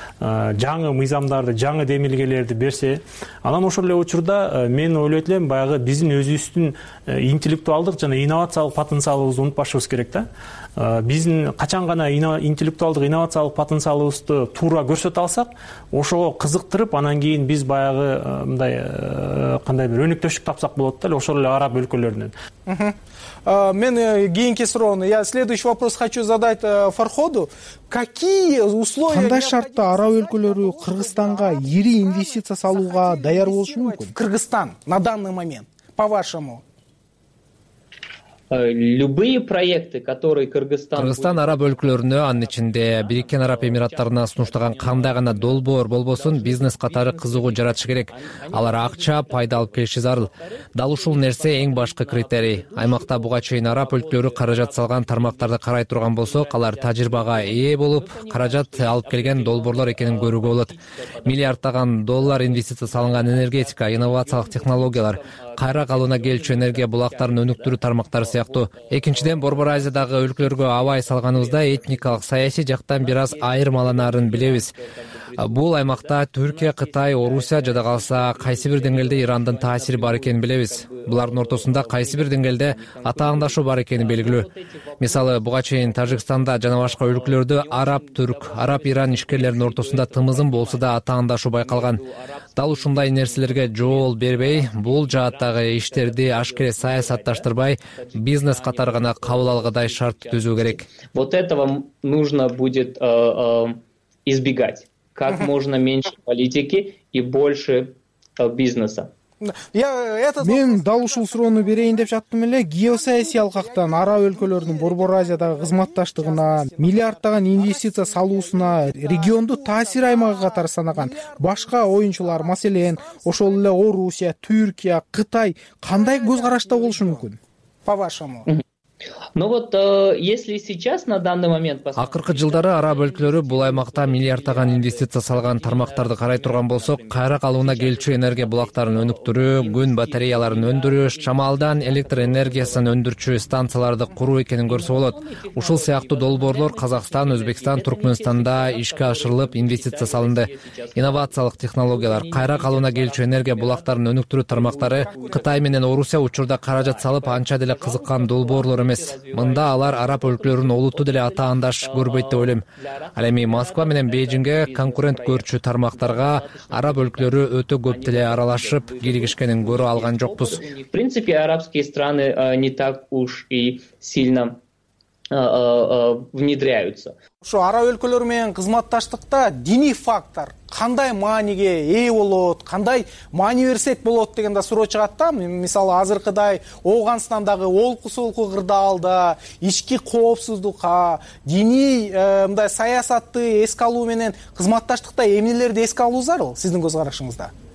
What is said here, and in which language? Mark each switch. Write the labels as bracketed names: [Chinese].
[Kyrgyz] Жаңы мыйзамдарды, жаңы демилгелерди берсе, анан ошол эле учурда мен ойлойт элем, баягы биздин өзүбүздүн интеллектуалдык жана инновациялык потенциалыбызды унутпашыбыз керек да. Биздин качан гана интеллектуалдык инновациялык потенциалыбызды туура көрсөтө алсак, ошого кызыктырып, анан кийин биз баягы мындай кандай бир өнөктөштүк тапсак болот да эле ошол эле араб өлкөлөрүнөн. Мен кийинки суроону, [Russian] я следующий вопрос хочу задать Фарходу. Какие условия? [Kyrgyz] Кандай шартта араб өлкөлөрү Кыргызстанга ири инвестиция салууга даяр болушу мүмкүн? [Russian] Кыргызстан на данный момент, по-вашему? Любые проекты, которые Кыргызстан... [Kyrgyz] Кыргызстан араб өлкөлөрүнө, анын ичинде Бириккен Араб Эмираттарына сунуштаган кандай гана долбоор болбосун, бизнес катары кызыгуу жаратыш керек. Алар акча, пайда алып келиши зарыл. Дал ушул нерсе эң башкы критерий. Аймакта буга чейин араб өлкөлөрү каражат салган тармактарды карай турган болсок, алар тажрыйбага ээ болуп, каражат алып келген долбоорлор экенин көрүүгө болот. Миллиарддаган доллар инвестиция салынган энергетика, инновациялык технологиялар, кайра калыбына келчү энергия булактарын өнүктүрүү тармактары сыяктуу. Экинчиден, Борбор Азиядагы өлкөлөргө аба салганыбызда этникалык, саясий жактан бир аз айырмаланарын билебиз. Бул аймакта Түркия, Кытай, Орусия жада калса, кайсы бир деңгээлде Ирандын таасири бар экенин билебиз. Булардын ортосунда кайсы бир деңгээлде атаандашуу бар экени белгилүү. Мисалы, буга чейин Тажикстанда жана башка өлкөлөрдө араб-түрк, араб-иран ишкерлеринин ортосунда тымызын болсо да атаандашуу байкалган. Дал ушундай нерселерге жол бербей, бул жааттагы иштерди ашкере саясатташтырбай, бизнес катары гана кабыл алгыдай шарт түзүү керек. [Russian] Вот этого нужно будет избегать. Как можно меньше политики и больше бизнеса. [Kyrgyz] Мен дал ушул суроону берейин деп жаттым эле. Геосаясий алкактан араб өлкөлөрүнүн Борбор Азиядагы кызматташтыгына, миллиарддаган инвестиция салуусуна, региондо таасир аймагы катары санаган башка оюнчулар, маселен, ошол эле Орусия, Түркия, Кытай кандай көз карашта болушу мүмкүн? [Russian] По-вашему. Ну вот, если сейчас на данный момент посмотреть. [Kyrgyz] Акыркы жылдары араб өлкөлөрү бул аймакта миллиарддаган инвестиция салган тармактарды карай турган болсок, кайра калыбына келчү энергия булактарын өнүктүрүү, күн батареяларын өндүрүш, шамалдан электр энергиясын өндүрчү станцияларды куруу экенин көрсө болот. Ушул сыяктуу долбоорлор Казакстан, Өзбекстан, Туркменстанда ишке ашырылып, инвестиция салынды. Инновациялык технологиялар, кайра калыбына келчү энергия булактарын өнүктүрүү тармактары Кытай менен Орусия учурда каражат салып, анча деле кызыккан долбоор эмес. Мында алар араб өлкөлөрүн олуттуу деле атаандаш көрбөйт деп ойлойм. Ал эми Москва менен Бээжинге конкурент көрчү тармактарга араб өлкөлөрү өтө көп деле аралашып киригишкенин көрө алган жокпуз. [Russian] В принципе, арабские страны не так уж и сильно внедряются. [Kyrgyz] Ошо араб өлкөлөрү менен кызматташтыкта диний фактор кандай мааниге ээ болот, кандай маани берсек болот деген да суроо чыгат да. Мисалы, азыркыдай Ооганстандагы олку-солку кырдаалда, ички коопсуздукка, диний мындай саясатты эске алуу менен кызматташтыкта эмнелерди эске алуу зарыл сиздин көз карашыңызда?